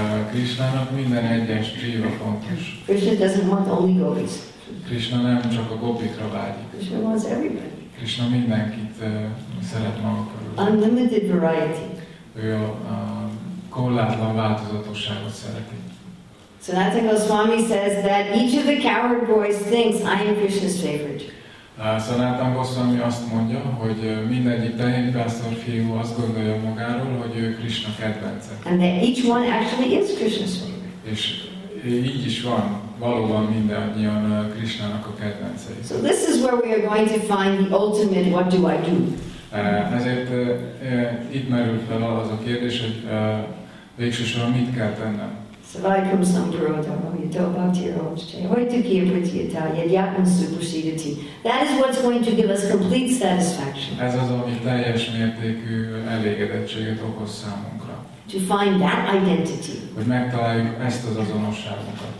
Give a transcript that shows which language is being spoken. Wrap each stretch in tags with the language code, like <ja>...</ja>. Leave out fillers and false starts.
<hu>Krishnának minden egyes jiva fontos.</hu> <en>Krishna doesn't want only gopis.</en> <hu>Krishna nem csak a gopikra vágyik.</hu> <en>Krishna wants everybody.</en> <hu>Krishna mindenkit szeret maga körül.</hu> <en>Unlimited variety.</en> <hu>Ő a korlátlan változatosságot szereti.</hu> <en>Sanatana Goswami says that each of the coward boys thinks I am Krishna's favorite.</en> <hu>Sanatana Goswami azt mondja, hogy mindegyik tehénypásztor fiú azt gondolja magáról, hogy ő Krishna kedvence.</hu> <en>And that each one actually is Krishna's favorite.</en> <hu>És így is van. Valóban mindannyian Krishnának a kedvencei.</hu> <en>So this is where we are going to find the ultimate what do I do?</en> <hu>Ezért itt merül fel az a kérdés, hogy végső soron mit kell tennem.</hu> <sa>Savai kum samdarodama yadobhaktiyarodhche vajtukirvatiyatayadyatmasupasidati.</sa> <en>That is what's going to give us complete satisfaction.</en> <hu>Ez az, ami teljes mértékű elégedettséget okoz számunkra.</hu> <en>To find that identity.</en> <hu>Hogy megtaláljuk ezt az azonosságunkat.</hu>